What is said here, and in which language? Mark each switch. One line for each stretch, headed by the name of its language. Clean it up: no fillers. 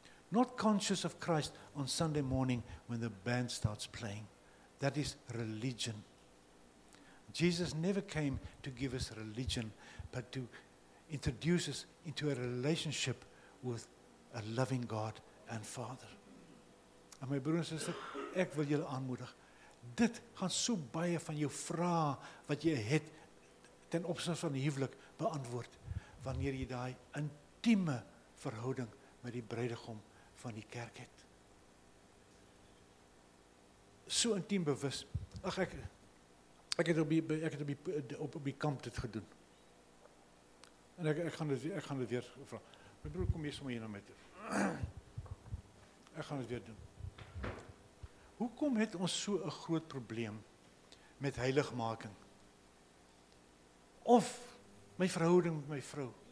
English: Not conscious of Christ on Sunday morning when the band starts playing. That is religion. Jesus never came to give us religion, but to introduce us into a relationship with a loving God and Father.
Afrikaans: En my broer en sister, ek wil julle aanmoedig. Dit gaan so baie van jou vrae wat jy het ten opsigte van huwelik beantwoord wanneer jy daai intieme verhouding met die bruidegom van die kerk het. So intiem bewus. Ag ek het op die kamp dit gedoen. En ek gaan dit weer vra. My broer kom hier sommer hier na my toe. Ek gaan dit weer doen. Hoekom het ons so 'n groot probleem met heiligmaking? Of my verhouding met my vrou?